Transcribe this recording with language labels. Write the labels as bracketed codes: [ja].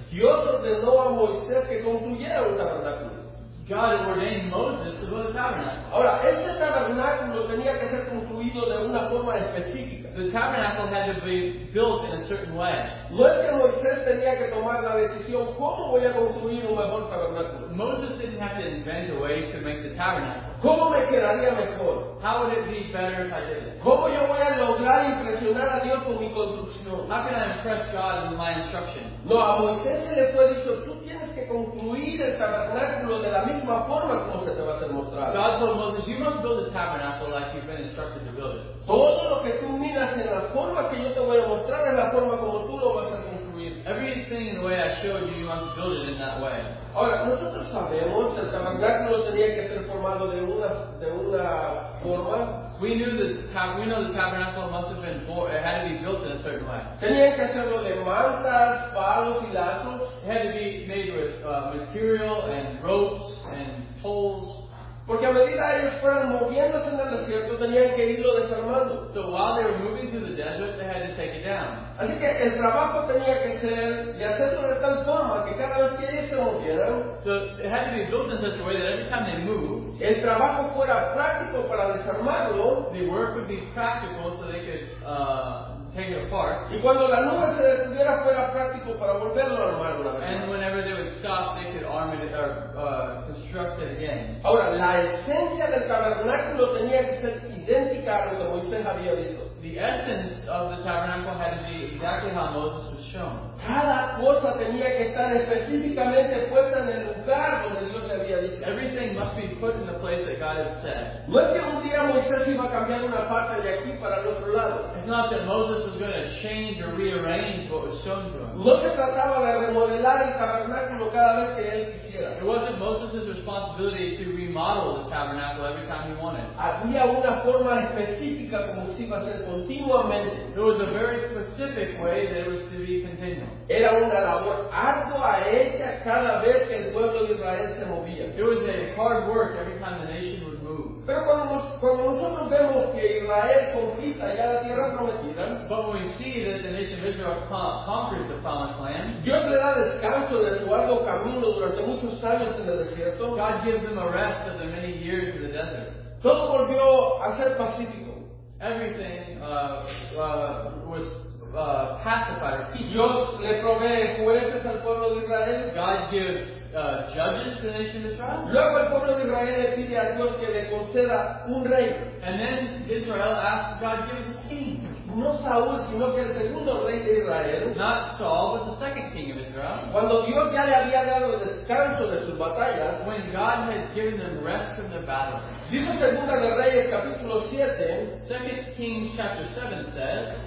[es] Dios ordenó a Moisés que construyera un tabernáculo. [en] God ordained Moses to build a tabernacle. [es] Ahora, este tabernáculo tenía que ser construido de una forma específica. [en] The tabernacle had to be built in a certain way. [es] No es que Moisés tenía que tomar la decisión, ¿cómo voy a construir un mejor tabernáculo? [en] Moses didn't have to invent a way to make the tabernacle. [es] ¿Cómo me quedaría mejor? [en] How would it be better if I did it? [es] ¿Cómo yo voy a lograr impresionar a Dios con mi construcción? [en] How can I impress God with my instruction? [es] No, a Moisés se le fue dicho, tú tienes que construir el tabernáculo de la misma forma como se te va a ser mostrado. [en] God told Moses, you must build a tabernacle like you've been instructed to build it. [es] Todo lo que tú miras en la forma que yo te voy a mostrar es la forma como tú lo vas a construir. [en] Everything in the way I show you, you must build it in that way. [es] Ahora, nosotros sabemos que el tabernáculo tenía que ser formado de una forma. [en] We know the tabernacle must have been for, it had to be built in a certain way. [es] Tenía que hacerlo de mantas, palos y lazos. [en] It had to be made with material and ropes and poles. [es] Porque a medida ellos fueron moviéndose en el desierto, tenían que irlo desarmando. [en] So while they were moving through the desert, they had to take it down. [es] Así que el trabajo tenía que ser y hacerlo de tal forma que cada vez que ellos se movieran, [en] so it had to be built in such a way that every time they moved, [es] el trabajo fuera práctico para desarmarlo, [en] the work would be practical so they could take it apart. [es] Y cuando la nube se detuviera, fuera práctico para volverlo a armar una vez. [en] And whenever they would stop, they could arm it or construct it again. [es] Ahora, la esencia del tabernáculo tenía que ser idéntica a lo que Moisés había visto. [en] The essence of the tabernacle had to be exactly how Moses was shown. [es] Cada cosa tenía que estar específicamente puesta en el lugar donde Dios le había dicho. [en] Everything must be put in the place that God had said. [es] No es que un día Moisés iba a cambiar una parte de aquí para el otro lado. [en] It's not that Moses was going to change or rearrange what was shown to him. [es] No se trataba de remodelar el tabernáculo cada vez que él quisiera. [en] It wasn't Moses' responsibility to remodel the tabernacle every time he wanted. [es] Había una forma específica como se iba a hacer continuamente. [en] There was a very specific way that it was to be continued. [es] Era una labor ardua hecha cada vez que el pueblo de Israel se movía. [en] It was a hard work every time the nation would move. [es] Pero cuando nosotros vemos que Israel conquista ya la tierra prometida, [en] but when we see that the nation of Israel conquers the promised land, [es] Dios le da descanso de su arduo camino durante muchos años en el desierto. [en] God gives them a rest of their many years in the desert. [es] Todo volvió a ser pacífico. [en] Everything was pacified. [es] Dios le provee jueces al pueblo de Israel. [en] God gives judges to the nation of Israel. [es] Luego el pueblo de Israel le pide a Dios que le conceda un rey. [en] And then Israel asks God to give us a king. [es] No Saúl, sino que el segundo rey de Israel. [en] Not Saul, but the second king of Israel. [es] Cuando Dios ya le había dado descanso de sus batallas. [en] When God had given them rest from their battles. [es] Dice Segunda de Reyes, capítulo 7. [en] Second Kings, chapter 7 says.